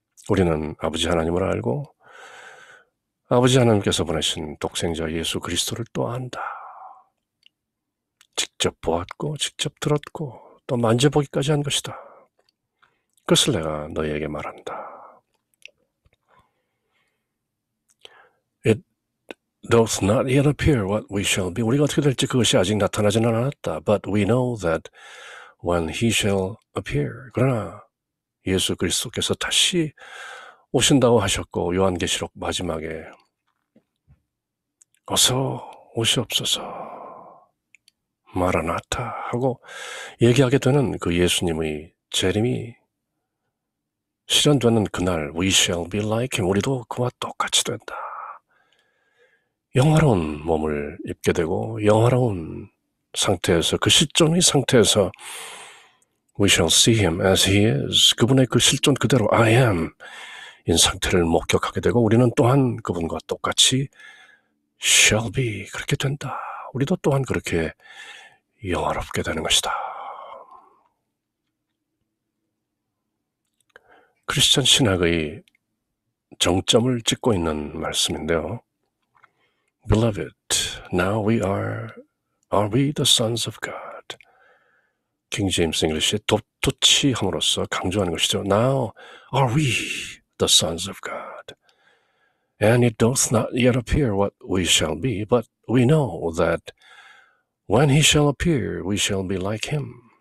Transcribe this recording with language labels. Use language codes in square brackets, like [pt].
[ko] 우리는 아버지 하나님을 알고 아버지 하나님께서 보내신 독생자 예수 그리스도를 또 안다. 직접 보았고, 직접 들었고, 또 만져보기까지 한 것이다. 그것을 내가 너희에게 말한다. [en] It doth not yet appear what we shall be. [ko] 우리가 어떻게 될지 그것이 아직 나타나지는 않았다. [en] But we know that when he shall appear. [ko] 그러나 예수 그리스도께서 다시 오신다고 하셨고, 요한계시록 마지막에 어서 오시옵소서, 마라나타 하고 얘기하게 되는 그 예수님의 재림이 실현되는 그날, [en] we shall be like him. [ko] 우리도 그와 똑같이 된다. 영화로운 몸을 입게 되고, 영화로운 상태에서, 그 실존의 상태에서, [en] we shall see him as he is. [ko] 그분의 그 실존 그대로, I am. 인 상태를 목격하게 되고, 우리는 또한 그분과 똑같이 shall be. 그렇게 된다. 우리도 또한 그렇게 영화롭게 되는 것이다. 크리스천 신학의 정점을 찍고 있는 말씀인데요. [en] Beloved, now we are we the sons of God? [ko] King James English의 독특함으로써 강조하는 것이죠. [en] Now are we the sons of God? And it doth not yet appear what we shall be, but we know that when he shall appear, we shall be like him.